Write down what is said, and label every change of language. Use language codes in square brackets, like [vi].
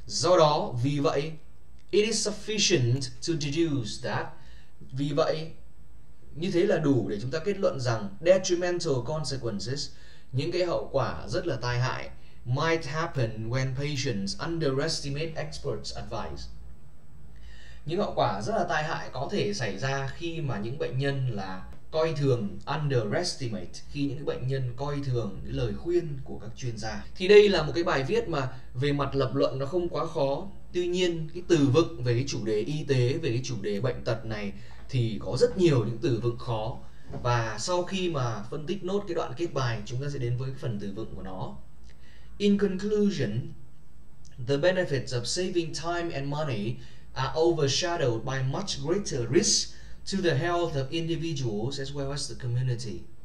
[vi] Do đó, vì vậy, [en] it is sufficient to deduce that. [vi] Vì vậy, như thế là đủ để chúng ta kết luận rằng [en] detrimental consequences, [vi] những cái hậu quả rất là tai hại, [en] might happen when patients underestimate experts' advice. [vi] Những hậu quả rất là tai hại có thể xảy ra khi mà những bệnh nhân là coi thường, underestimate, khi những bệnh nhân coi thường những lời khuyên của các chuyên gia. Thì đây là một cái bài viết mà về mặt lập luận nó không quá khó. Tuy nhiên, cái từ vựng về cái chủ đề y tế, về cái chủ đề bệnh tật này thì có rất nhiều những từ vựng khó. Và sau khi mà phân tích nốt cái đoạn kết bài, chúng ta sẽ đến với cái phần từ vựng của nó. [en] In conclusion, the benefits of saving time and money are overshadowed by much greater risk to the health of individuals as well as the community.